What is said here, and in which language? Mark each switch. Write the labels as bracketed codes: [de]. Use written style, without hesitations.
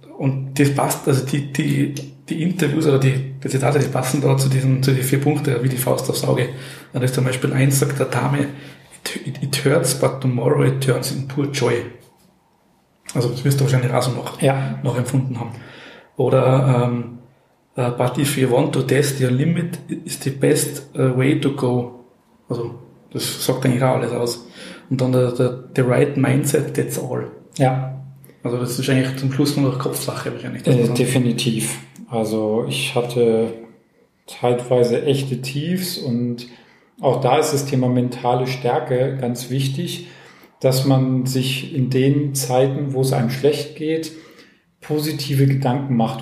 [de] Und das passt, also die Interviews oder die Zitate, die passen da zu den vier Punkten, wie die Faust aufs Auge. Da ist zum Beispiel eins, sagt der Dame, [en] It hurts, but tomorrow it turns in pure joy. [de] Also das wirst du wahrscheinlich auch so noch empfunden haben. Oder [en] but if you want to test your limit, it's the best way to go. [de] Also das sagt eigentlich auch alles aus. Und dann [en] the right mindset, that's all. [de] Ja. Also das ist eigentlich zum Schluss nur noch Kopfsache. Wahrscheinlich. Definitiv. Also ich hatte zeitweise echte Tiefs und auch da ist das Thema mentale Stärke ganz wichtig, dass man sich in den Zeiten, wo es einem schlecht geht, positive Gedanken macht.